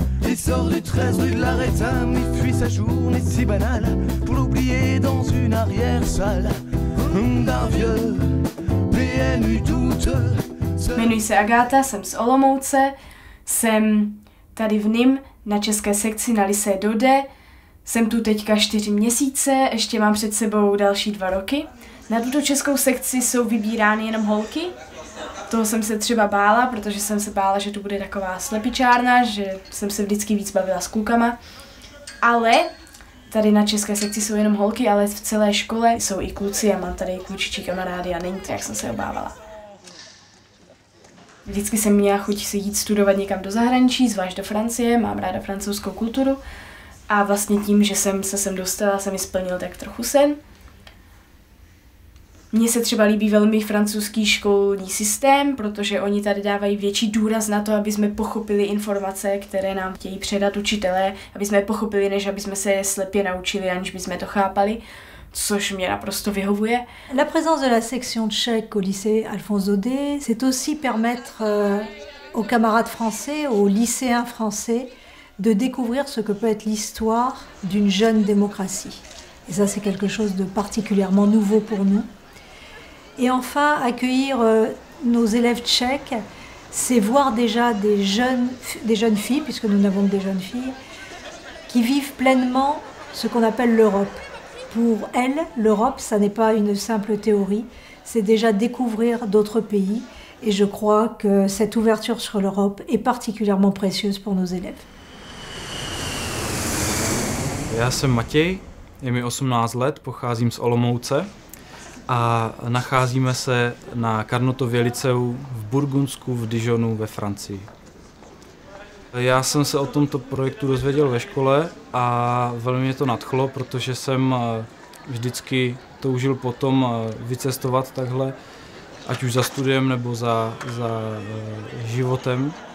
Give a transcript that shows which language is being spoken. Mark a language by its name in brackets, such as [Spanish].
[French] Il sort du 13 rue de la Rétame. Il fuit sa journée si banale pour l'oublier dans une arrière-salle d'un vieux PMU douteux. [Czech] Jmenuji se Agáta, jsem z Olomouce, jsem tady v NIM na české sekci na Lysé Dode. Jsem tu teďka 4 měsíce, ještě mám před sebou další 2 roky. Na tuto českou sekci jsou vybírány jenom holky. Toho jsem se třeba bála, protože jsem se bála, že tu bude taková slepičárna, že jsem se vždycky víc bavila s klukama. Ale tady na české sekci jsou jenom holky, ale v celé škole jsou i kluci a mám tady klučičí kamarády a není to, jak jsem se obávala. Vždycky jsem měla chuť si jít studovat někam do zahraničí, zvlášť do Francie, mám ráda francouzskou kulturu. A vlastně tím, že jsem se sem dostala, se mi splnil tak trochu sen. Mně se třeba líbí velmi francouzský školní systém, protože oni tady dávají větší důraz na to, aby jsme pochopili informace, které nám chtějí předat učitelé, aby jsme je pochopili, než aby jsme se je slepě naučili, aniž by jsme to chápali. Což mě naprosto vyhovuje. [French] La présence de la section tchèque au lycée Alphonse Daudet, c'est aussi permettre aux camarades français, aux lycéens français, de découvrir ce que peut être l'histoire d'une jeune démocratie. Et ça, c'est quelque chose de particulièrement nouveau pour nous. Et enfin, accueillir nos élèves tchèques, c'est voir déjà des jeunes filles, puisque nous n'avons que des jeunes filles, qui vivent pleinement ce qu'on appelle l'Europe. Pour elles, l'Europe, ça n'est pas une simple théorie, c'est déjà découvrir d'autres pays. Et je crois que cette ouverture sur l'Europe est particulièrement précieuse pour nos élèves. [Czech] Já jsem Matěj, je mi 18 let, pocházím z Olomouce a nacházíme se na Carnotově liceu v Burgundsku v Dijonu ve Francii. Já jsem se o tomto projektu dozvěděl ve škole a velmi mě to nadchlo, protože jsem vždycky toužil potom vycestovat takhle, ať už za studiem nebo za životem.